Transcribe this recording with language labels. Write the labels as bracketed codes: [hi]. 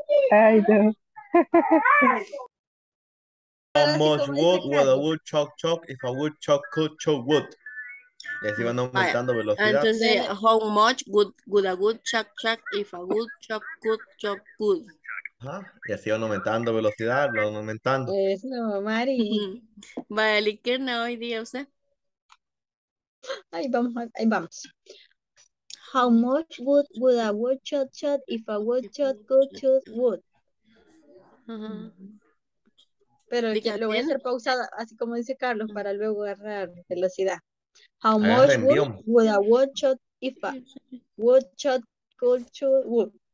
[es] Ay, no. [en] How much wood would a woodchuck chuck if a woodchuck could chuck wood? [es] Les iban aumentando velocidad. Antes de [en] how much would a woodchuck chuck if a woodchuck could chuck wood? [es] Y así van aumentando velocidad, lo van aumentando. Eso, Mari. Vaya, Liquirna, hoy día usted. Ahí vamos. [en] How much wood would a woodchuck chuck if a woodchuck could chuck wood? [es] Pero ya lo voy a hacer pausada, así como dice Carlos, para luego agarrar velocidad. [en] How much would a woodchuck if a woodchuck could chuck wood?